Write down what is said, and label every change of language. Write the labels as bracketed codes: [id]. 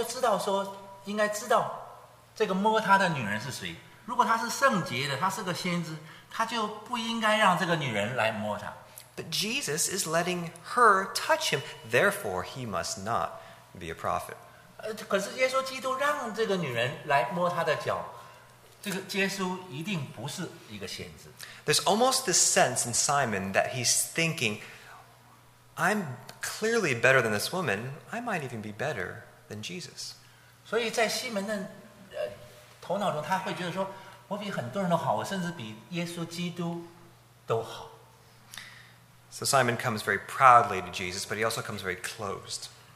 [zh] 我们看到西门的逻辑是讲说，如果耶稣基督是个先知，他是圣全人圣洁的，他就知道说应该知道。这个摸她的女人是谁？如果她是圣洁的，她是个先知，她就不应该让这个女人来摸她。 [en] But Jesus is letting her touch him, therefore he must not be a prophet. [zh] 可是耶稣基督让这个女人来摸她的脚，这个耶稣一定不是一个先知。 [en] There's almost this sense in Simon that he's thinking, I'm clearly better than this woman. I might even be better than Jesus. [zh] 所以在西门的 头脑中他会觉得说，我比很多人都好，我甚至比耶稣基督都好。 [en] So Simon comes very proudly to Jesus, but he also comes very closed.